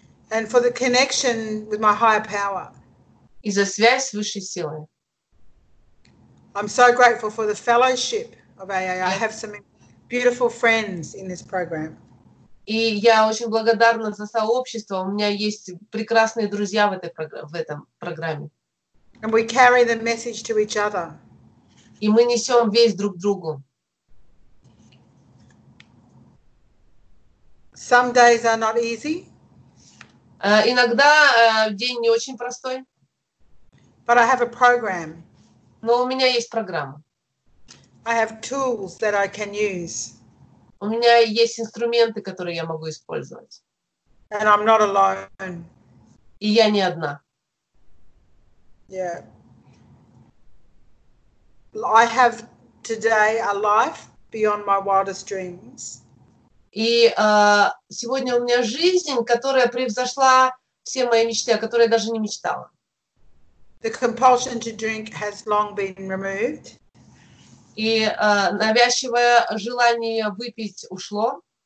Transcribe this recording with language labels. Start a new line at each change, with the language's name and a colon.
English: And for the connection with my higher power.
Russian: И за связь с высшей силой.
English: I'm so grateful for the fellowship. Of AA. I have some beautiful friends in this program.
Russian: И я очень благодарна за сообщество. У меня есть прекрасные друзья в этой программе.
English: And we carry the message to each other.
Russian: И мы несем весь друг другу.
English: Some days are not easy.
Russian: Иногда день не очень простой.
English: But I have a program.
Russian: Но у меня есть программа.
English: I have tools that I can use.
Russian: У меня есть инструменты, которые я могу использовать.
English: And I'm not alone.
Russian: И я не одна.
English: Yeah. I have today a life beyond my wildest dreams.
Russian: И сегодня у меня жизнь, которая превзошла все мои мечты, о которой я даже не мечтала.
English: The compulsion to drink has long been removed.
Russian: И навязчивое желание выпить ушло.